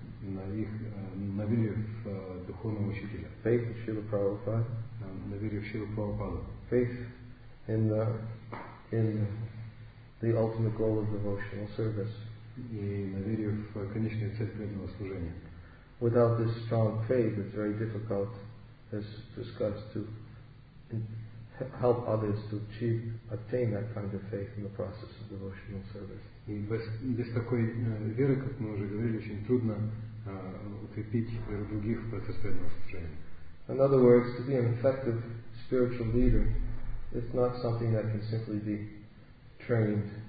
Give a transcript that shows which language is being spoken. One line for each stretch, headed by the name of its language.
Russian: На их на вере в духовного учителя.
English: Faith in Śrīla Prabhupāda.
Russian: На вере в Śrīla Prabhupāda.
English: Faith in the ultimate goal of devotional service.
Russian: И на вере в конечную цель преданного служения.
English: Without this strong faith, it's very difficult, as discussed, to help others to achieve, attain that kind of faith in the process of devotional service.
Russian: И без такой веры, как мы уже говорили, очень трудно укрепить веру других в процессе служения.
English: In other words, to be an effective spiritual leader, it's not something that can simply be trained.